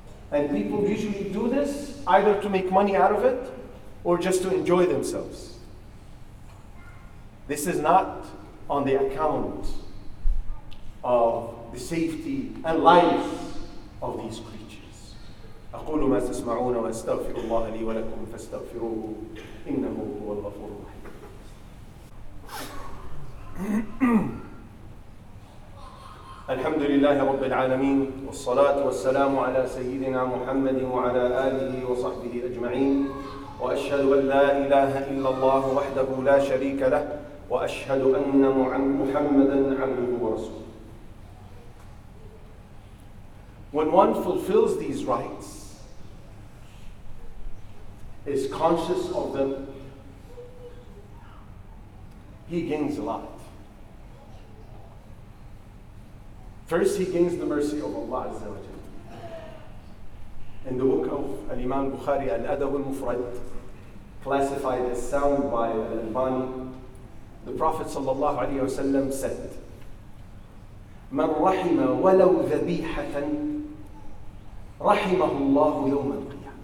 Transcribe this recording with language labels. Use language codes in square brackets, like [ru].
[en] And people usually do this either to make money out of it or just to enjoy themselves. This is not on the account of the safety and life of these creatures. [ar] أقول ما تسمعون وأستغفر الله لي ولكم فاستغفروه إنه هو الغفور الرحيم. الحمد لله رب العالمين والصلاة والسلام على سيدنا محمد وعلى آله وصحبه أجمعين وأشهد أن لا إله إلا الله وحده لا شريك له وأشهد أن محمداً عبده ورسوله. [en] When one fulfills these rites, is conscious of them, he gains a lot. First, he gains the mercy of Allah Azza wa Jalla. In the book of Al-Imam Bukhari, Al-Adab Al-Mufrad, classified as sound by Al-Albani, the Prophet sallallahu alayhi wa sallam said, [ar] مَنْ رَحِمَ وَلَوْ ذَبِيحَةً رَحِمَهُ اللَّهُ يَوْمَ الْقِيَامَةِ.